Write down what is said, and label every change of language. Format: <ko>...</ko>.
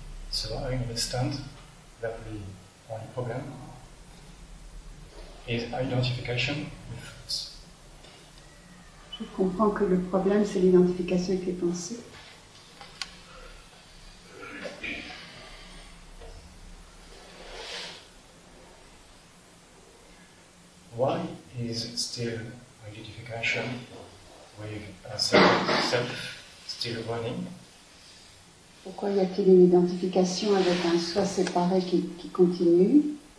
<en>So I understand that the only problem is identification with thoughts.</en> <fr>Je comprends que le problème c'est l'identification avec les pensées.</fr> <en>Why is still identification with self still running?</en> <fr>Pourquoi y a-t-il une identification avec un soi séparé qui continue?</fr>